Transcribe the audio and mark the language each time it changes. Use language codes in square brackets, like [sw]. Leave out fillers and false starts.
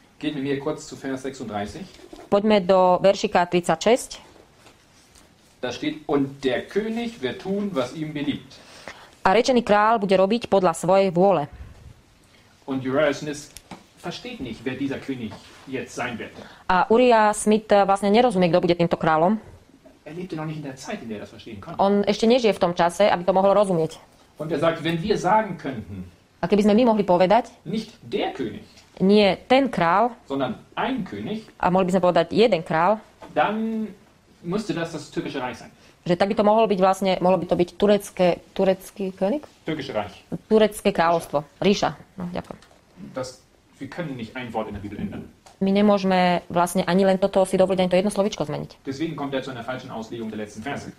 [de] Geht mit mir kurz zu Vers 36. [sk] Poďme do veršika 36. [de] Da steht, und der König wird tun, was ihm beliebt. [sk] A rečený král bude robiť podľa svojej vôle. [de] Und Uriah Smith versteht nicht, wer dieser König jetzt sein wird. [sk] A Uriah Smith vlastne nerozumie, kto bude týmto kráľom. [de] Er lebte noch nicht in der Zeit, in der er das verstehen konnte. [sk] On ešte nežije v tom čase, aby to mohol rozumieť. [de] Und er sagt, wenn wir sagen könnten. [sk] A keby sme my mohli povedať? [de] Nicht der König. [sk] Nie ten král, [de] sondern ein König. [sk] A mohli by sme povedať jeden král. [de] Dann müsste das türkische Reich sein. [sk] Že tak by to mohlo byť vlastne, mohlo by to byť turecký König? [de] Türkische Reich. [sk] Turecké kráľovstvo, ríša. No, ďakujem. [de] Das wir können nicht ein Wort in der Bibel ändern. [sk] My nemôžeme vlastne ani len toto si dovoliť, ani to jedno slovíčko zmeniť. [de] Deswegen kommt er zu einer falschen Auslegung der letzten Verse.